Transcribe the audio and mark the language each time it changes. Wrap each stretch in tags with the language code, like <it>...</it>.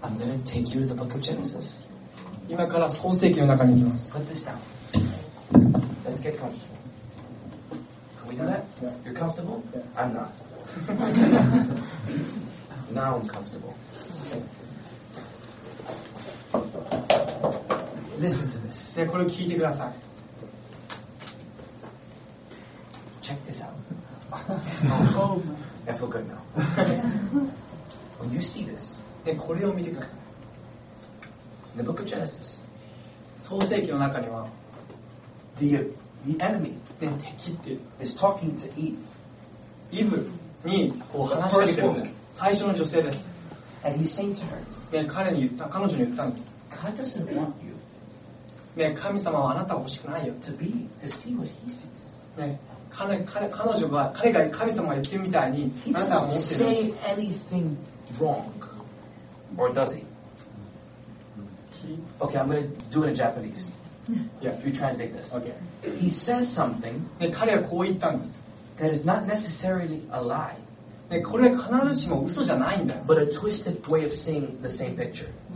<en>I'm going to take you to the book of Genesis.</en> <ja>今から創世記の中に行きます。</ja> <en>Put this down. Let's get comfortable. Can we do that? Yeah. You're comfortable? Yeah. I'm not. Now I'm comfortable. Listen to this.</en> <ja>네, これ聞いてください。</ja> <en>Check this out. Oh, I feel good now. When you see this,</en> <ja>ね、これを見てください。</ja> <en>In the book of Genesis,</en> <ja>創世記の中には、</ja> <en>the enemy,</en> <ja>ね、敵って、</ja> <en>is talking to Eve.</en> <ja>イブにこう話しかけてるんです。最初の女性です。</ja> <en>And he's saying to her,</en> <ja>ね、彼に言った、彼女に言ったんです。</ja> <en>God doesn't want you.</en> <ja>ね、神様はあなたが欲しくないよ。</ja> <en>To be, to see what he sees.</en> <ja>ね、彼が神様が言ってるみたいに、あなたは思ってる。</ja> <en>He doesn't say anything wrong. Or does he? Okay, I'm going to do it in Japanese. Yeah, if you translate this. Okay. He says something that is not necessarily a lie, but a twisted way of seeing the same picture.</en>